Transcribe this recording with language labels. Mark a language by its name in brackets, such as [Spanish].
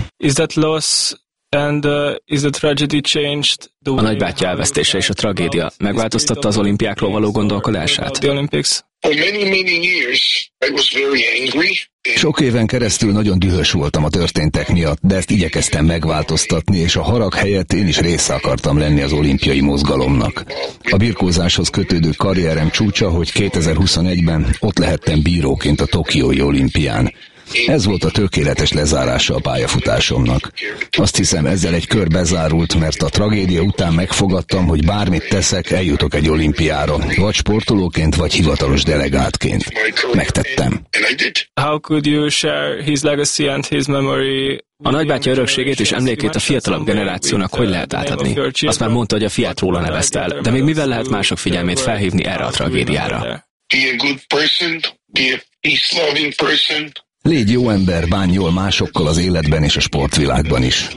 [English] Is that loss and is the tragedy changed the [Hungarian] way? A nagybátyja elvesztése és a tragédia megváltoztatta az olimpiákról való gondolkodását. [English] The Olympics. For many, many years, I was very angry. [Hungarian] Sok éven keresztül nagyon dühös voltam a történtek miatt, de ezt igyekeztem megváltoztatni, és a harag helyett én is része akartam lenni az olimpiai mozgalomnak. A birkózáshoz kötődő karrierem csúcsa, hogy 2021-ben ott lehettem bíróként a tokiói olimpián. Ez volt a tökéletes lezárása a pályafutásomnak. Azt hiszem, ezzel egy kör bezárult, mert a tragédia után megfogadtam, hogy bármit teszek, eljutok egy olimpiára, vagy sportolóként, vagy hivatalos delegátként. Megtettem. [English] How could you share his legacy and his memory? [Hungarian] A nagybátyja örökségét és emlékét a fiatalabb generációnak hogy lehet átadni? Azt már mondta, hogy a fiát róla nevezte el, de még mivel lehet mások figyelmét felhívni erre a tragédiára? [English] Be a good person, be a peace-loving person. [Hungarian] Légy jó ember, bánj jól másokkal az életben és a sportvilágban is.